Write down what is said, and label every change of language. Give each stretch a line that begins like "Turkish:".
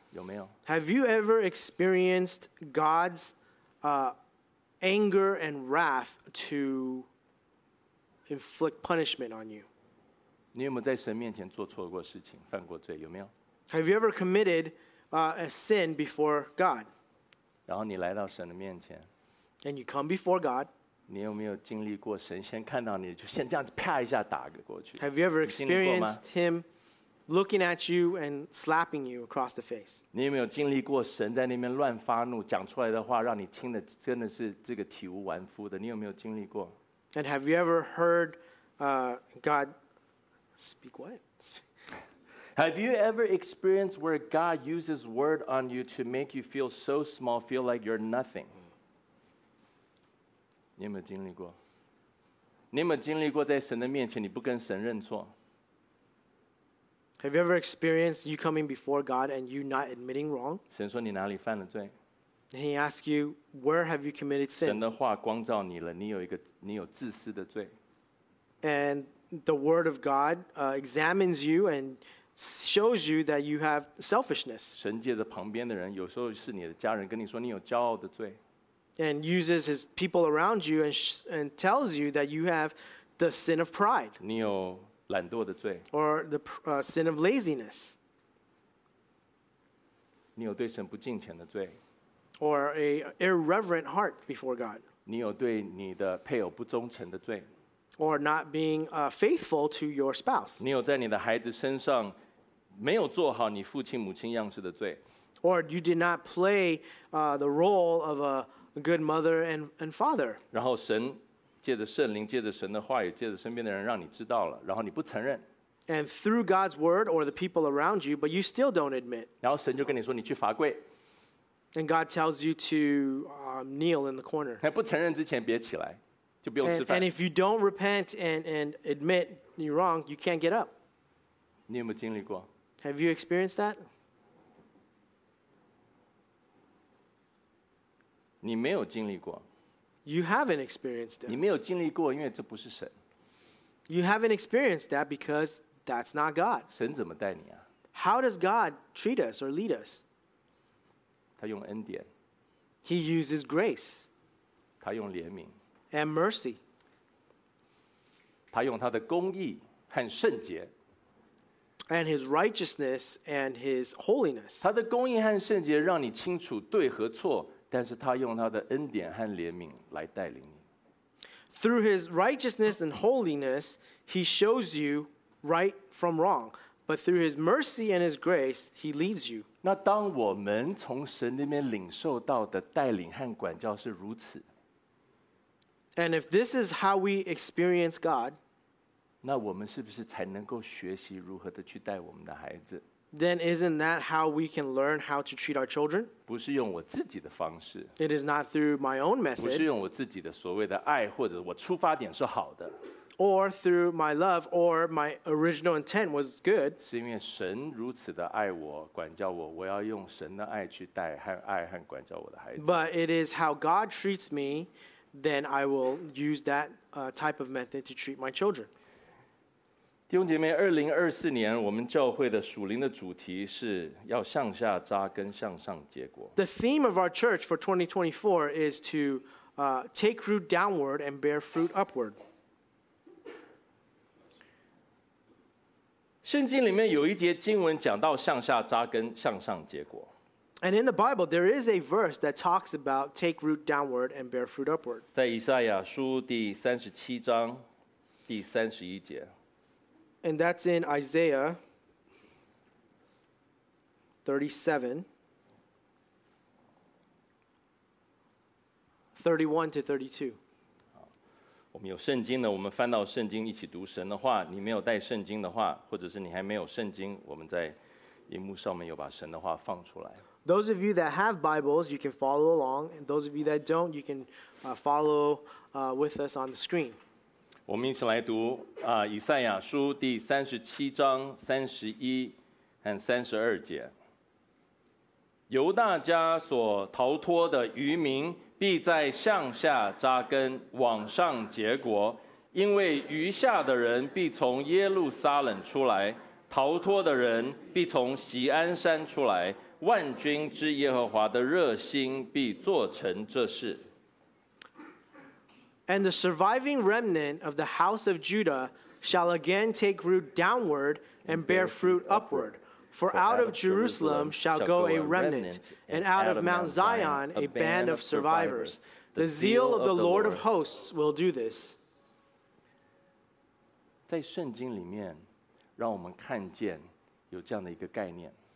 Chinese: 有没有？
English: Have you ever experienced God's anger and wrath to inflict punishment on you?
Chinese: 你有没有在神面前做错过事情、犯过罪？有没有？
English: Have you ever committed a sin before God?
Chinese: 然后你来到神的面前。
English: And you come before God.
Chinese: 你有没有经历过神先看到你就先这样子啪一下打过去？
English: Have you ever experienced him looking at you and slapping you across the face?
Chinese: 你有没有经历过神在那边乱发怒，讲出来的话让你听的真的是这个体无完肤的？你有没有经历过？
English: And have you ever heard God speak what? Have you ever experienced where God uses word on you to make you feel so small, feel like you're nothing?
Chinese: 你有没有经历过？你有没有经历过在神的面前你不跟神认错？
English: Have you ever experienced you coming before God and you not admitting wrong?
Chinese: 神说你哪里犯了罪？
English: He asks you, where have you committed sin?
Chinese: 神的话光照你了，你有自私的罪。
English: And the word of God examines you and shows you that you have selfishness.
Chinese: 神借着旁边的人，有时候是你的家人跟你说你有骄傲的罪。
English: And uses his people around you and tells you that you have the sin of pride.
Chinese: 你有懒惰的罪。
English: Or the sin of laziness.
Chinese: 你有对神不敬虔的罪。
English: Or an irreverent heart before God.
Chinese: 你有对你的配偶不忠诚的罪。
English: Or not being faithful to your spouse.
Chinese: 你有在你的孩子身上没有做好你父亲母亲样式的罪。
English: Or you did not play the role of a good mother and father.
Chinese: 然后神借着圣灵，借着神的话语，借着身边的人让你知道了，然后你不承认。
English: And through God's word or the people around you, but you still don't admit.
Chinese: 然后神就跟你说你去罚跪。
English: And God tells you to kneel in the corner.
Chinese: 不承认之前别起来，就不用吃饭。
English: And if you don't repent and admit you're wrong, you can't get up.
Chinese: 你有没有经历过？
English: Have you experienced that?
Chinese: 你没有经历过。
English: You haven't experienced that.
Chinese: 你没有经历过，因为这不是神。
English: You haven't experienced that because that's not God.
Chinese: 神怎么带你啊？
English: How does God treat us or lead us?
Chinese: 他用恩典。
English: He uses grace.
Chinese: 他用怜悯。
English: And mercy.
Chinese: 他用他的公义和圣洁。
English: and his righteousness and his holiness.
Chinese: 他的公义和圣洁让你清楚对和错，但是他用他的恩典和怜悯来带领你。
English: Through his righteousness and holiness, he shows you right from wrong. But through his mercy and his grace, he leads you.
Chinese: 那当我们从神那边领受到的带领和管教是如此。
English: And if this is how we experience God,
Chinese: 那我们是不是才能够学习如何的去带我们的孩子？
English: Then isn't that how we can learn how to treat our children?
Chinese: 不是用我自己的方式。
English: It is not through my own method.
Chinese: 不是用我自己的所谓的爱，或者我出发点是好的。
English: Or through my love, or my original intent was good.
Chinese: 是因为神如此的爱我，管教我，我要用神的爱去带和爱和管教我的孩子。
English: But it is how God treats me. Then I will use that type of method to treat my children.
Chinese: 弟兄姐妹，2024年我们教会的属灵的主题是要向下扎根，向上结果。
English: The theme of our church for 2024 is to take root downward and bear fruit upward.
Chinese: 圣经里面有一节经文讲到向下扎根，向上结果。
English: And in the Bible, there is a verse that talks about take root downward and bear fruit upward.
Chinese: 在以赛亚书第37章第31节。
English: And that's in Isaiah 37, 31 to 32.
Chinese: 我们有圣经的，我们翻到圣经一起读神的话。你没有带圣经的话，或者是你还没有圣经，我们在荧幕上面有把神的话放出来。
English: Those of you that have Bibles, you can follow along. And those of you that don't, you can follow with us on the screen.
Chinese: 我们一起来读以赛亚书第37章31和32节。犹大家所逃脱的渔民必在向下扎根，往上结果，因为余下的人必从耶路撒冷出来，逃脱的人必从锡安山出来。万军之耶和华的热心必做成这事。
English: And the surviving remnant of the house of Judah shall again take root downward and bear fruit upward. For out of Jerusalem shall go a remnant, and out of Mount Zion a band of survivors. The zeal of the Lord of hosts will do this.
Chinese: 在圣经里面，让我们看见有这样的一个概念。